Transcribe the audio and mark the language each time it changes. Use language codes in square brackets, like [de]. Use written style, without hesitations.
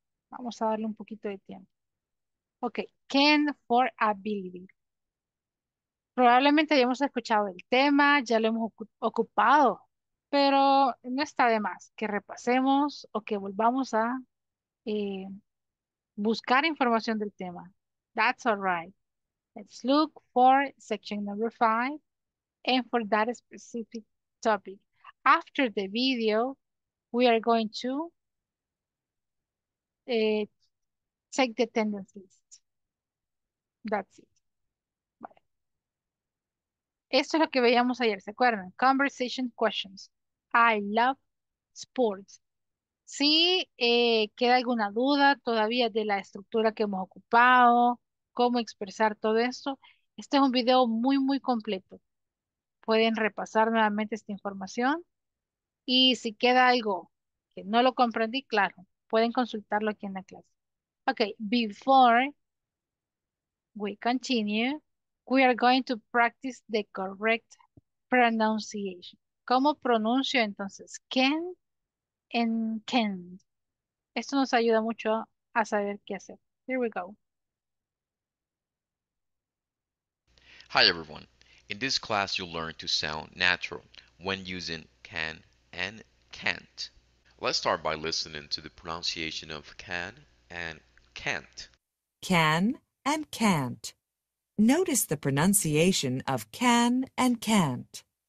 [es] Vamos a darle un poquito de tiempo. [en] Ok, can for ability. [es] Probablemente hayamos escuchado el tema, ya lo hemos ocupado, pero no está de más que repasemos o que volvamos a buscar información del tema. [en] That's all right. Let's look for section number 5 and for that specific topic. After the video, we are going to take the attendance list. That's it. [es] Esto es lo que veíamos ayer, ¿se acuerdan? [en] Conversation questions. I love sports. [es] Si queda alguna duda todavía de la estructura que hemos ocupado, cómo expresar todo esto, este es un video muy, muy completo. Pueden repasar nuevamente esta información. Y si queda algo que no lo comprendí, claro, pueden consultarlo aquí en la clase. [en] Ok, before we continue, we are going to practice the correct pronunciation. [es] ¿Cómo pronuncio entonces can and can't? Esto nos ayuda mucho a saber qué hacer. [en] Here we go. Hi everyone. In this class, you'll learn to sound natural when using can and can't. Let's start by listening to the pronunciation of can and can't. Can and can't. Notice the pronunciation of can and can't.